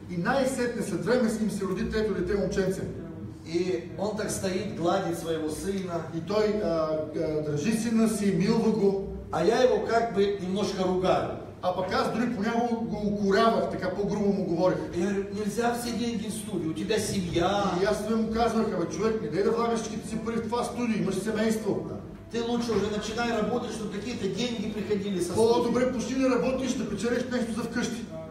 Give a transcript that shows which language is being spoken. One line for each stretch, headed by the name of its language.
Bulgarian: И най-сетне след време с ним се роди трето дете момченце.
Russian: И он так стоит, гладит своего сына.
Bulgarian: И той държи сина си, милва го.
Russian: А я его как бы немножко ругаю.
Bulgarian: А пък аз дори понякога го укорявах, така по-грубо му говорих.
Russian: Нельзя все деньги в студию, у тебя семья.
Bulgarian: И аз му казвах, бе, човек, не дай да влагаш всичките си пари в това студио, имаш семейство.
Russian: Ти лучше уже начинай работать, чтобы какие-то деньги приходили со студии.
Bulgarian: По-добре, почти не работиш, да печелиш нещо за вкъщи.